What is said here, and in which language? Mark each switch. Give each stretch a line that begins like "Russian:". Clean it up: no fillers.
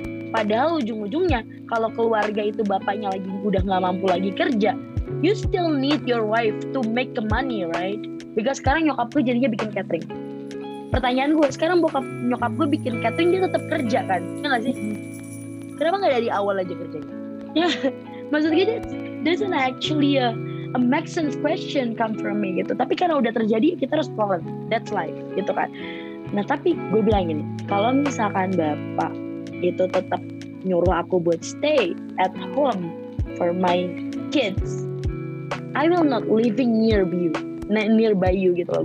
Indonesian: Padahal ujung-ujungnya, kalau keluarga itu bapaknya lagi udah gak mampu lagi kerja, you still need your wife to make the money, right? Because sekarang nyokap gue jadinya bikin catering. Pertanyaan gue, sekarang nyokap gue bikin catering, dia tetap kerja kan? Ya gak sih? Kenapa gak dari awal aja kerjanya?
English: Maksudnya that's not actually a make sense question come from me gitu.
Indonesian: Tapi karena udah terjadi, kita harus problem. That's life gitu kan. Nah tapi gue bilang gini, kalau misalkan bapak itu tetap nyuruh aku buat stay at home for my kids, I will not living nearby you gitu loh.